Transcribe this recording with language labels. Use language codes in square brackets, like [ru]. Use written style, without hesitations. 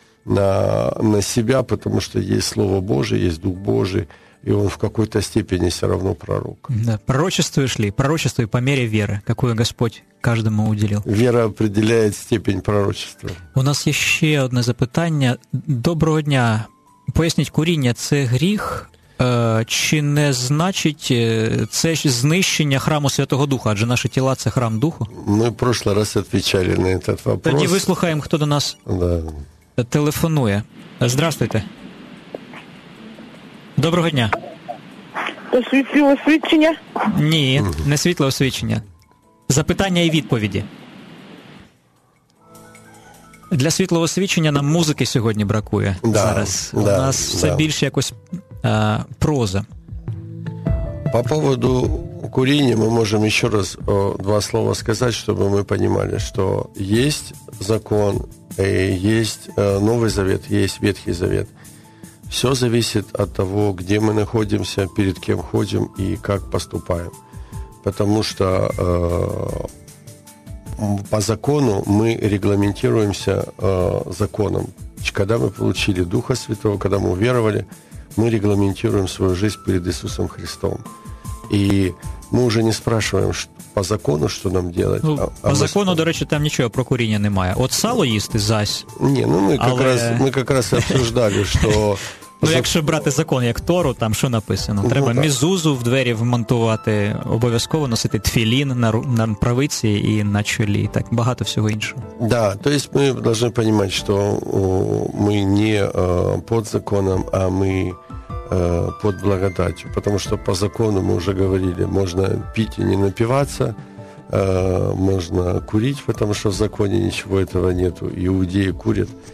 [ru] На себя, потому что есть Слово Божие, есть Дух Божий, и он в какой-то степени все равно пророк. Да. Пророчествуешь ли? Пророчествуй по мере веры, какую Господь каждому уделил. Вера определяет степень пророчества. У нас еще одно запитание. [uk] Доброго дня. Пояснить куріння – це гріх? Чи не значить це знищення храму Святого Духа? Адже наше тіла – це храм Духу? [ru] Ми в прошлый раз [uk] відповідали [ru] на этот вопрос. [uk] Тоді вислухаємо, хто до нас. [ru] Да. Телефонує. Здравствуйте. [uk] Доброго дня. Це світле освічення? Ні, не світле освічення. Запитання і відповіді. Для світлого освічення нам музики сьогодні бракує. Да, зараз. Да, у нас все да. Більше якось проза. [ru] По поводу [uk] куріння ми можемо ще раз два слова сказати, щоб ми розуміли, що є закон. [ru] Есть Новый Завет, есть Ветхий Завет. Все зависит от того, где мы находимся, перед кем ходим и как поступаем. Потому что по закону мы регламентируемся законом. Когда мы получили Духа Святого, когда мы уверовали, мы регламентируем свою жизнь перед Иисусом Христом. И мы уже не спрашиваем, что по закону, что нам делать? [uk] Ну, по закону, до речі, там нічого про куріння немає. От сало їсти зась. Ні, ну ми якраз [ru] обсуждали, [uk] що Ну, якщо брати закон як Тору, там що написано? Треба мізузу в двері вмонтувати, обов'язково носити тфілін на правиці і на чолі, так, багато всього іншого. [ru] Да, то есть ми должны понимать, что мы не под законом, а мы под благодатью, потому что по закону мы уже говорили, можно пить и не напиваться. Можно курить, потому что в законе ничего этого нету. Иудеи курят.